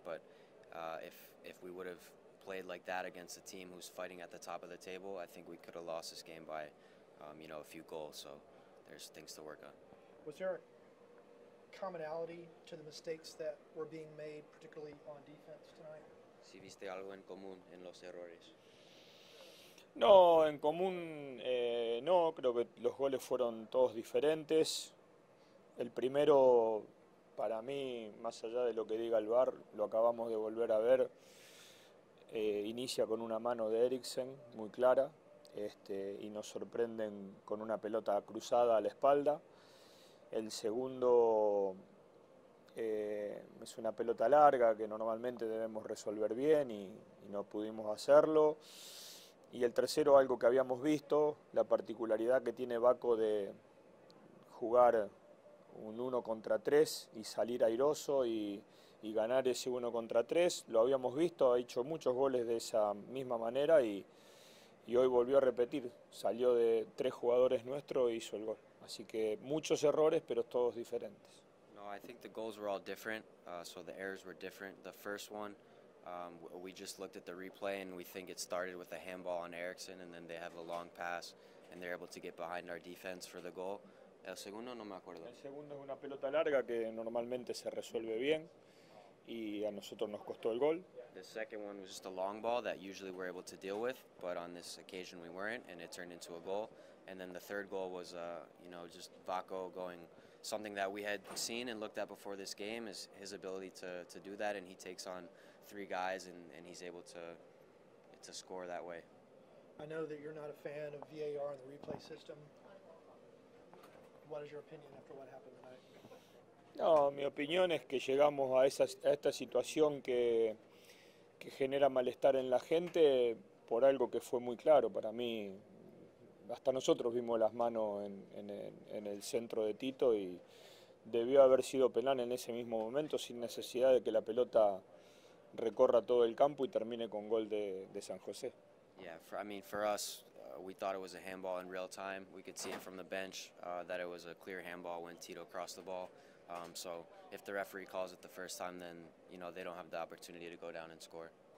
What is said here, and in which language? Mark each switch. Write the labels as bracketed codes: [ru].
[en] But if we would have played like that against a team who's fighting at the top of the table, I think we could have lost this game by, you know, a few goals. So there's things to work on. Was there a commonality to the mistakes that were being made, particularly on defense tonight? [es] ¿Sí viste algo en común en los errores? No, en común no. Creo que los goles fueron todos diferentes. El primero, para mí, más allá de lo que diga el VAR, lo acabamos de volver a ver. Inicia con una mano de Eriksen, muy clara, y nos sorprenden con una pelota cruzada a la espalda. El segundo es una pelota larga que normalmente debemos resolver bien y no pudimos hacerlo. Y el tercero, algo que habíamos visto, la particularidad que tiene Baco de jugar un 1 contra 3 y salir airoso y ganar ese 1 contra 3, lo habíamos visto, ha hecho muchos goles de esa misma manera y hoy volvió a repetir, salió de 3 jugadores nuestros e hizo el gol. Así que muchos errores, pero todos diferentes. [en] No, I think the goals were all different, so the errors were different. The first one, we just looked at the replay and we think it started with a handball on Eriksen, and then they have a long pass and they're able to get behind our defense for the goal. [es] El segundo no me acuerdo. El segundo es una pelota larga que normalmente se resuelve bien y a nosotros nos costó el gol. [en] The second one was just a long ball that usually we're able to deal with, but on this occasion we weren't, and it turned into a goal. And then the third goal was, you know, just Vaco going, something that we had seen and looked at before this game is his ability to do that, and he takes on 3 guys and he's able to score that way. I know that you're not a fan of VAR and the replay system. What is your opinion after what happened tonight? [es] No, mi opinión es que llegamos a esta situación que genera malestar en la gente por algo que fue muy claro para mí. Hasta nosotros vimos las manos en el centro de Tito y debió haber sido penal en ese mismo momento sin necesidad de que la pelota recorra todo el campo y termine con gol de San José. [en] Yeah, for us, we thought it was a handball in real time. We could see it from the bench that it was a clear handball when Tito crossed the ball. So if the referee calls it the first time, then, you know, they don't have the opportunity to go down and score.